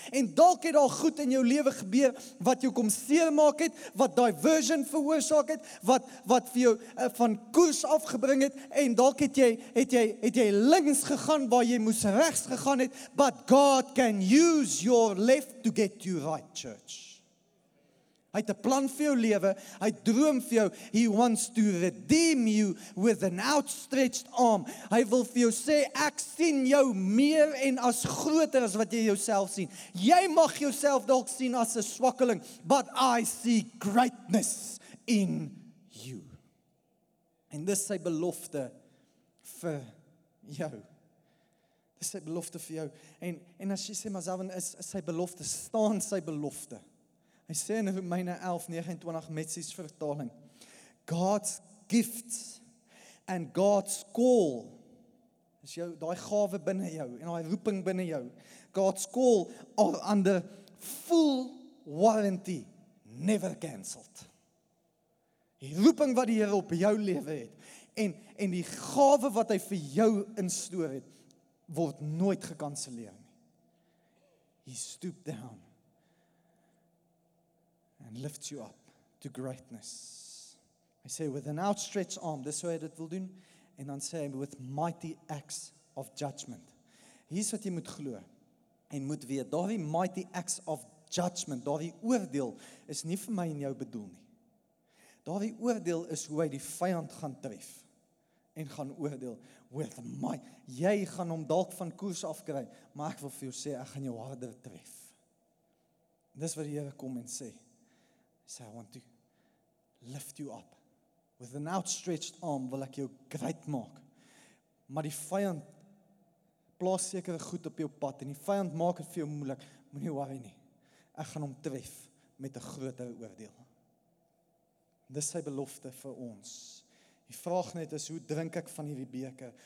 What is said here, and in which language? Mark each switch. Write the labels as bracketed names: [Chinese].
[Afrikaans] En dalk het daar goed in jou lewe gebeur, wat jou kom seermaak het, wat diversion veroorsaak het, wat vir jou van koers afgebring het, en dalk het jy links gegaan waar jy moes regs gegaan het, [English] but God can use your left to get you right, church. [Afrikaans] Hy het 'n plan vir jou lewe, hy droom vir jou, [English] he wants to redeem you with an outstretched arm. [Afrikaans] Hy wil vir jou sê, ek sien jou meer en as groter as wat jy jouself sien. Jy mag jouself dalk sien as 'n swakkeling, [English] but I see greatness in you. [Afrikaans] En dis sy belofte vir jou. Dis sy belofte vir jou. En as jy sê, maar Zavon, is sy belofte, staan sy belofte. Hy sê in Romeine 11:29 Metsies vertaling, [English] God's gifts and God's call, [Afrikaans] is jou, daai gawe binne jou, en daai roeping binne jou, [English] God's call are under full warranty, never cancelled. [Afrikaans] Die roeping wat die Here op jou lewe het, en die gawe wat hy vir jou instoor het, word nooit gekanselleer nie. [English] He stooped down and lifts you up to greatness. I say, with an outstretched arm, this way it will do. And then say, with mighty acts of judgment. Here's what you must [Afrikaans] glo. And moet weet, daai [English] mighty acts of judgment, [Afrikaans] daai oordeel, is nie vir my en jou bedoel nie. Daai oordeel is hoe hy die vyand gaan tref. En gaan oordeel, with my, jy gaan hom dalk van koers afkry, maar ek wil vir jou sê, ek gaan jou harder tref. Dis wat die Here kom en sê. [English] So I want to lift you up. With an outstretched arm [Afrikaans] wil ek jou great maak. Maar die vyand plaas sekere goed op jou pad en die vyand maak het vir jou moeilik. Moenie worry nie. Ek gaan hom tref met 'n groter oordeel. Dis sy belofte vir ons. Die vraag net is, hoe drink ek van hierdie beker?